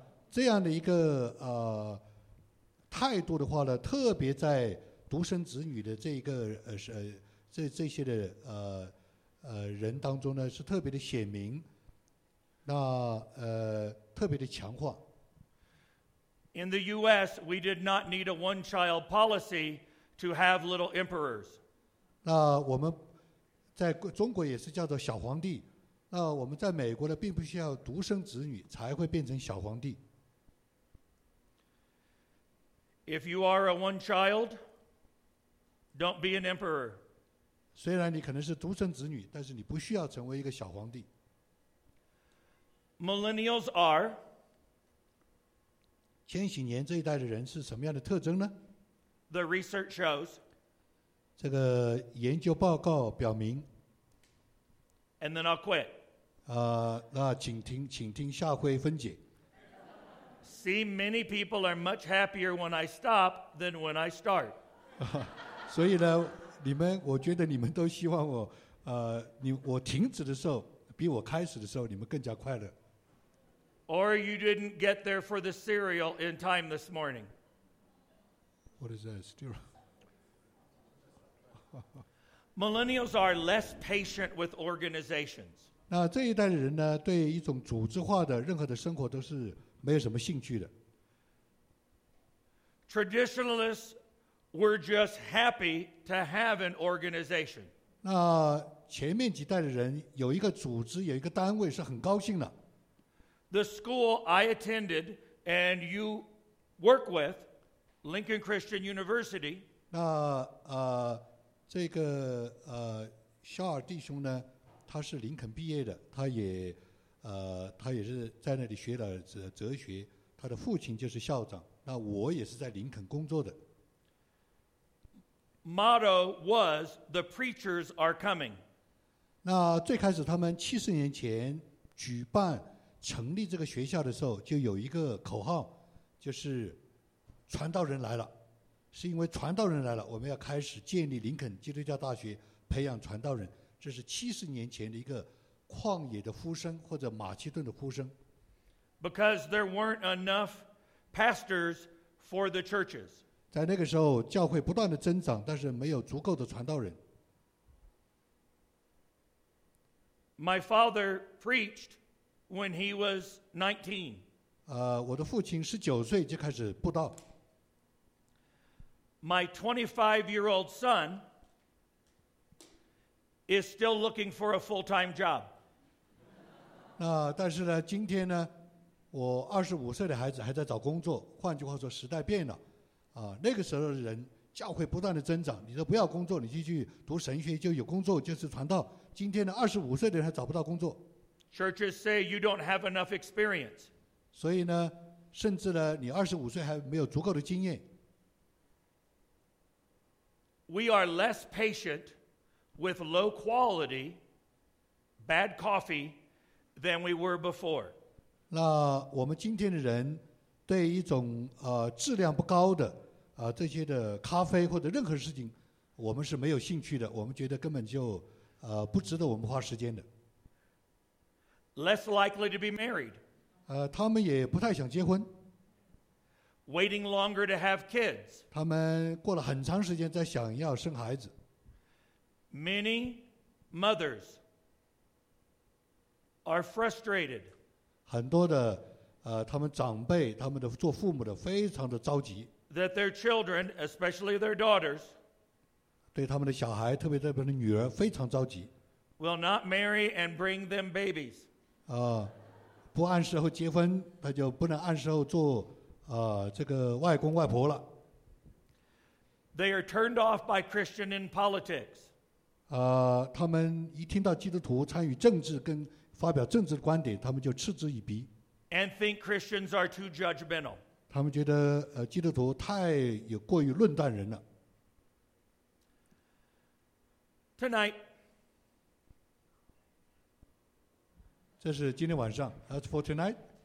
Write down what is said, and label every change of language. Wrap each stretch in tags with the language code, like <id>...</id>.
<zh>这样的一个态度的话呢，特别在独生子女的这一个这些的人当中呢，是特别的显明，那特别的强化。</zh> <en>In the U.S., we did not need a one-child policy to have little emperors.</en> <zh>那我们在中国也是叫做小皇帝，那我们在美国呢，并不需要独生子女才会变成小皇帝。</zh> <en>If you are a one child, don't be an emperor.</en> <zh>虽然你可能是独生子女，但是你不需要成为一个小皇帝。</zh> <en>Millennials are.</en> <zh>千禧年这一代的人是什么样的特征呢？</zh> <en>The research shows.</en> <zh>这个研究报告表明。</zh> <en>And then I'll quit.</en> <zh>那请听下回分解。</zh> <en>See, many people are much happier when I stop than when I start.</en> <zh>所以呢，你们，我觉得你们都希望我，我停止的时候，比我开始的时候，你们更加快乐。</zh> <en>Or you didn't get there for the cereal in time this morning. What is that, cereal? Millennials are less patient with organizations.</en> <zh>那这一代的人呢，对一种组织化的任何的生活都是。没有什么兴趣的。</zh> <en>Traditionalists were just happy to have an organization.</en> <zh>那前面几代的人有一个组织，有一个单位是很高兴的。</zh> <en>The school I attended and you work with, Lincoln Christian University.</en> <zh>那这个肖尔弟兄呢，他是林肯毕业的，他也。他也是在那里学了哲学，他的父亲就是校长，那我也是在林肯工作的。</zh> <en>Motto was, the preachers are coming.</en> <zh>那最开始他们七十年前举办成立这个学校的时候，就有一个口号，就是传道人来了，是因为传道人来了，我们要开始建立林肯基督教大学，培养传道人。这是七十年前的一个旷野的呼声，或者马其顿的呼声。</zh> <en>Because there weren't enough pastors for the churches.</en> <zh>在那个时候，教会不断的增长，但是没有足够的传道人。</zh> <en>My father preached when he was 19.</en> <zh>我的父亲19岁就开始布道。</zh> <en>My 25-year-old son is still looking for a full-time job.</en> <zh>那但是呢，今天呢，我25岁的孩子还在找工作。换句话说，时代变了。那个时候的人，教会不断的增长，你都不要工作，你继续读神学就有工作，就是传道。今天的25岁的人还找不到工作。</zh> <en>Churches say you don't have enough experience.</en> <zh>所以呢，甚至呢，你25岁还没有足够的经验。</zh> <en>We are less patient with low quality, bad coffee than we were before.</en> <zh>那我们今天的人对一种质量不高的这些的咖啡或者任何事情，我们是没有兴趣的，我们觉得根本就不值得我们花时间的。</zh> <en>Less likely to be married.</en> <zh>他们也不太想结婚。</zh> <en>Waiting longer to have kids.</en> <zh>他们过了很长时间在想要生孩子。</zh> <en>Many mothers are frustrated.</en> <zh>很多的他们长辈，他们的做父母的非常的着急。</zh> <en>That their children, especially their daughters,</en> <zh>对他们的小孩，特别代表的女儿，非常着急。</zh> <en>Will not marry and bring them babies.</en> <zh>不按时候结婚，他就不能按时候做这个外公外婆了。</zh> <en>They are turned off by Christian in politics.</en> <zh>他们一听到基督徒参与政治跟发表政治的观点，他们就嗤之以鼻。</zh> <en>And think Christians are too judgmental.</en> <zh>他们觉得基督徒太有过于论断人了。</zh> <en>Tonight,</en> <zh>这是今天晚上</zh> <en>for tonight,</en>